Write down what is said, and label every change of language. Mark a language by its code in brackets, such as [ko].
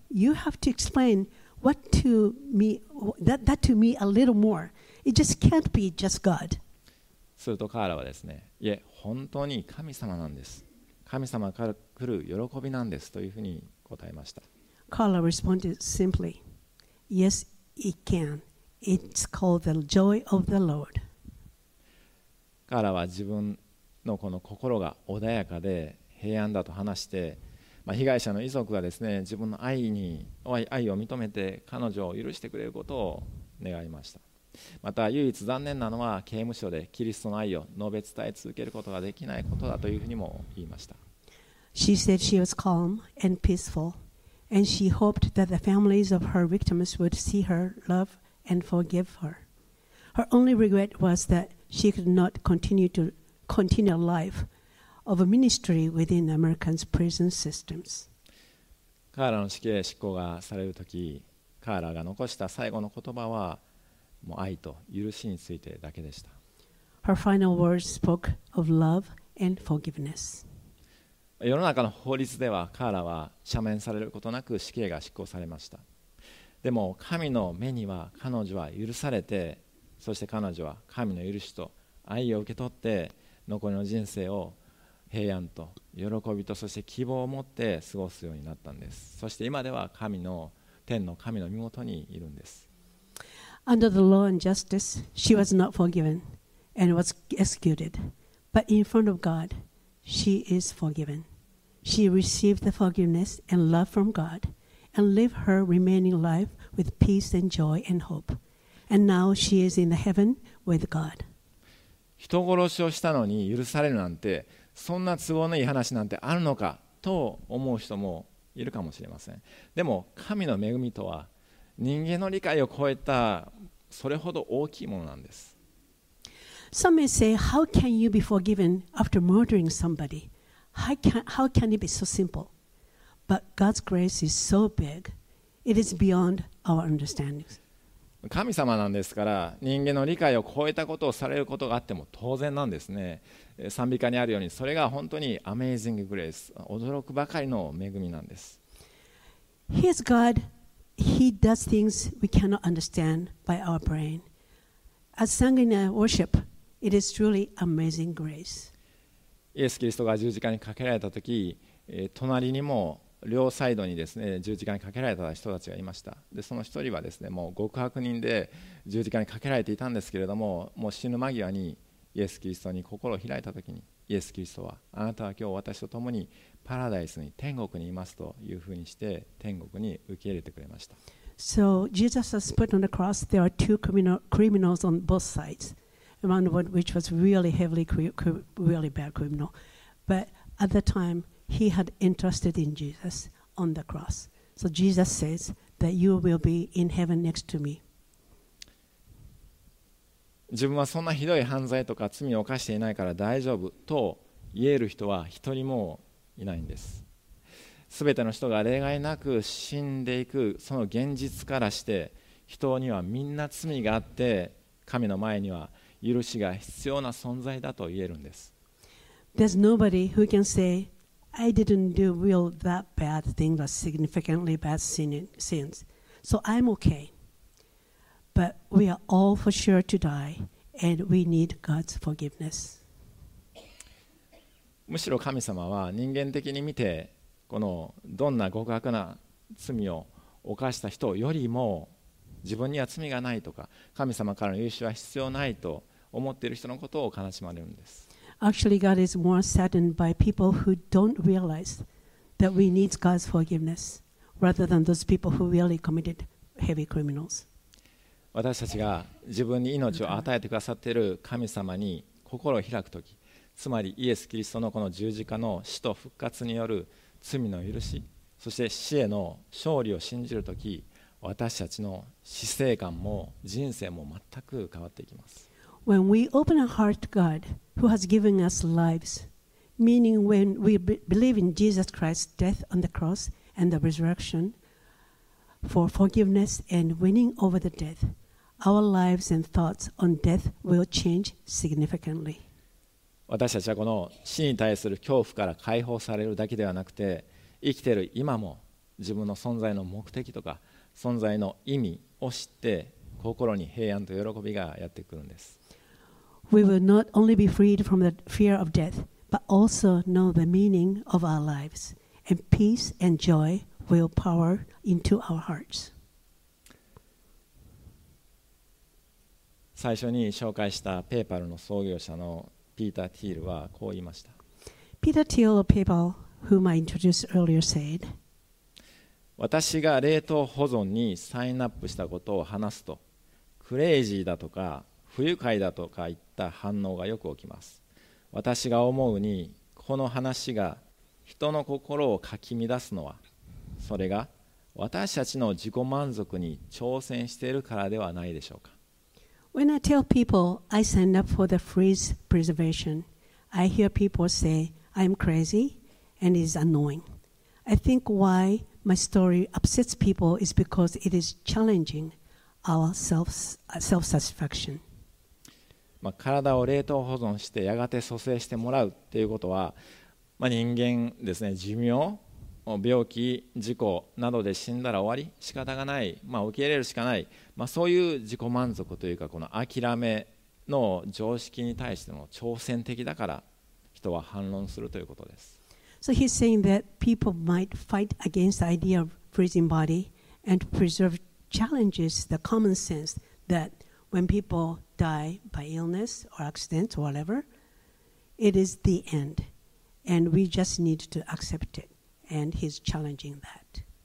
[en] You have to explain what to me, that to me a little more. It just can't be just God. [ja] するとカーラはですね、いえ本当に神様なんです、神様から来る喜びなんですというふうに答えました。 [en] カーラ responded simply, Yes, it can. It's called the joy of the Lord. [ja] カーラは自分のこの心が穏やかで平安だと話して、まあ、被害者の遺族がですね、自分の愛を認めて彼女を許してくれることを願いました。また唯一残念なのは刑務所でキリストの愛を述べ伝え続けることができないことだというふうにも言いました。 [en] She said she was calm and peaceful, and she hoped that the families of her victims would see her love and forgive her. Her only regret was that she could not continue a life of a ministry within America's prison systems. [ja] カーラの死刑執行がされるとき、カーラが残した最後の言葉は、もう愛と許しについてだけでした。 [en] Her final words spoke of love and forgiveness. [ja] 世の中の法律ではカーラは赦免されることなく死刑が執行されました。でも神の目には彼女は許されて、そして彼女は神の許しと愛を受け取って残りの人生を平安と喜びとそして希望を持って過ごすようになったんです。そして今では天の神の御元にいるんです。 [en] Under the law and justice, she was not forgiven and was executed. But in front of God, she is forgiven. She received the forgiveness and love from God and lived her remaining life with peace and joy and hope. And now she is in the heaven with God. [ja] 人殺しをしたのに許されるなんて、そんな都合のいい話なんてあるのかと思う人もいるかもしれません。でも神の恵みとは、人間の理解を超えたそれほど大きいものなんです。 [en] Some may say, how can you be forgiven after murdering somebody? How can it be so simple? But God's grace is so big, it is beyond our understandings. [ja] 神様なんですから、人間の理解を超えたことをされることがあっても当然なんですね。賛美歌にあるように、それが本当に [en] amazing grace、 [ja] 驚くばかりの恵みなんです。 [en] He is God. He does things we cannot understand by our brain. As sung in our worship, it is truly amazing grace. [ja] イエス・キリストが十字架にかけられたとき、隣にも両サイドにですね、十字架にかけられた人たちがいました。で、その一人はですね、もう極悪人で十字架にかけられていたんですけれども、もう死ぬ間際にイエス・キリストに心を開いたときに、イエス・キリストは、あなたは今日私と共にパラダイスに天国にいますというふうにして天国に受け入れてくれました。 [en] So Jesus was put on the cross. There are two criminals on both sides. One which was really heavily really bad criminal. But at the time he had entrusted in Jesus on the cross. So Jesus says that you will be in heaven next to me. [ja] 自分はそんなひどい犯罪とか罪を犯していないから大丈夫と言える人は一人もいないんです。すべての人が例外なく死んでいくその現実からして、人にはみんな罪があって神の前には許しが必要な存在だと言えるんです。 [en] There's nobody who can say I didn't do real that bad thing that significantly bad sins so I'm okay but we are all for sure to die and we need God's forgiveness。 [ja] むしろ神様は人間的に見てこのどんな極悪な罪を犯した人よりも自分には罪がないとか神様からの許しは必要ないと思っている人のことを悲しまれるんです。 [en] Actually, God is more saddened by people who don't realize that we need God's forgiveness rather than those people who really committed heavy criminals. [ja] 私たちが自分に命を与えてくださっている神様に心を開くとき、つまりイエス・キリストのこの十字架の死と復活による罪の許し、そして死への勝利を信じるとき、私たちの死生観も人生も全く変わっていきます。 [en] When we open our heart to God, who has given us lives, meaning when we believe in Jesus Christ's death on the cross and the resurrection for forgiveness and winning over the death, our lives and thoughts on death will change significantly. [ja] 私たちはこの死に対する恐怖から解放されるだけではなくて、生きている今も自分の存在の目的とか存在の意味を知って心に平安と喜びがやってくるんです。 [en] We will not only be freed from the fear of death, but also know the meaning of our lives, and peace and joy will power into our hearts. [ja] 最初に紹介したペーパルの創業者のピーター・ティールはこう言いました。 [en] Peter Thiel of PayPal, whom I introduced earlier, said, [ja] 私が冷凍保存にサインアップしたことを話すと、クレイジーだとか、不愉快だとか言った反応がよく起きます。私が思うにこの話が人の心をかき乱すのは、それが私たちの自己満足に挑戦しているからではないでしょうか。 [en] When I tell people I signed up for the freeze preservation, I hear people say I'm crazy and it's annoying. I think why my story upsets people is because it is challenging our self-satisfaction. [ja] まあ、体を冷凍保存してやがて蘇生してもらうということは、まあ、人間ですね、寿命、病気、事故などで死んだら終わり、仕方がない、まあ、受け入れるしかない、まあ、そういう自己満足というかこの諦めの常識に対しての挑戦的だから人は反論するということです。 [en] So he's saying that people might fight against the idea of freezing body and preserve challenges the common sense thatWhen people die by illness or accident or whatever, it is the end. And we just need to accept it. And he's challenging that.